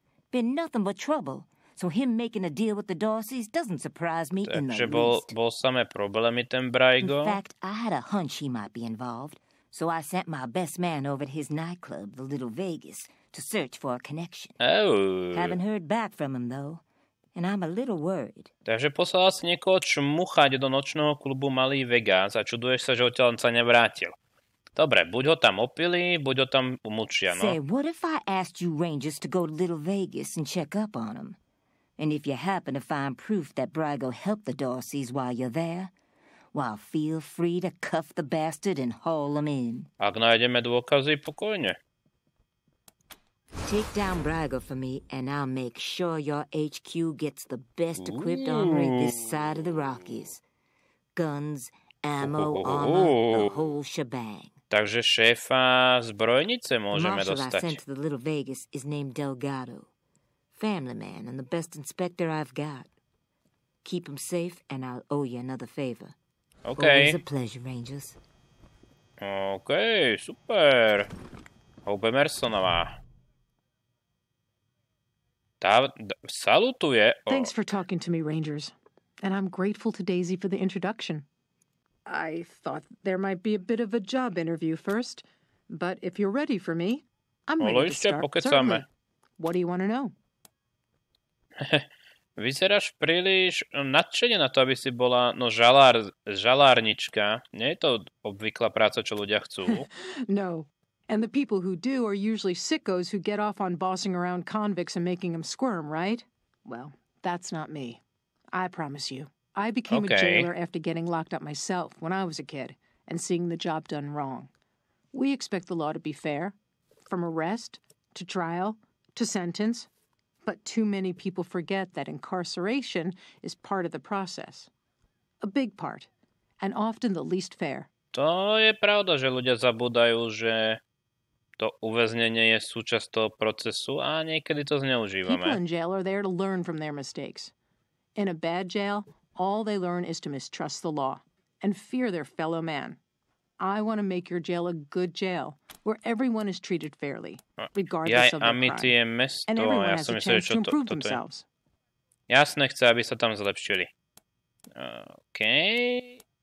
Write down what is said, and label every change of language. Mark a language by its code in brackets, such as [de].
[en] Been nothing but trouble, so him making a deal with the Dorseys doesn't surprise me in the least. [sk] Bol samé problémy ten Brigo. [en] In fact, I had a hunch he might be involved, so I sent my best man over to his nightclub, the Little Vegas, to search for a connection. Oh. Haven't heard back from him though, and I'm a little worried. [sk] Takže poslala si niekoho čmuchať do nočného klubu Malý Vegas a čuduješ sa, že odtiaľ sa nevrátil. Dobre, buď ho tam opili, buď ho tam umučia, no. [en] Say, what if I asked you Rangers to go to Little Vegas and check up on him? And if you happen to find proof that Brigo helped the Dorseys while you're there, well, feel free to cuff the bastard and haul him in. [sk] Ak nájdeme dôkazy, pokojne. [en] Take down Brigo for me, and I'll make sure your HQ gets the best equipped armory this side of the Rockies. Guns, ammo, armor, the whole shebang. [sk] Takže šéfa zbrojnice môžeme Marshall dostať. [en] I sent to the Little Vegas is named Delgado. Family man and the best inspector I've got. Keep him safe, and I'll owe you another favor. Okay. Always a pleasure, Rangers. [sk] Okay, super. Hope Emersonová. Salutuje. [en] Thanks for talking to me, Rangers. And I'm grateful to Daisy for the introduction. I thought there might be a bit of a job interview first, but if you're ready for me, I'm ready to start. [sk] Pokecáme. [en] What do you want to know? [sk] Vyzeráš príliš nadšene na to, aby si bola žalárnička. Nie je to obvyklá práca, čo ľudia chcú. No. [en] And the people who do are usually sickos who get off on bossing around convicts and making them squirm, right? Well, that's not me. I promise you. I became okay. a jailer after getting locked up myself when I was a kid and seeing the job done wrong. We expect the law to be fair, from arrest to trial to sentence. But too many people forget that incarceration is part of the process. A big part, and often the least fair. [sk] To je pravda, že ľudia zabúdajú, že to uväznenie je súčasť toho procesu a niekedy to zneužívame. [en] People in jail are there to learn from their mistakes. In a bad jail, all they learn is to mistrust the law and fear their fellow man. I want to make your jail a good jail, where everyone is treated fairly, regardless of their crime. [sk] Ja, a my mesto, [en] and everyone has a chance to improve themselves. [sk] Jasne, chce, aby sa tam zlepšili. Okay.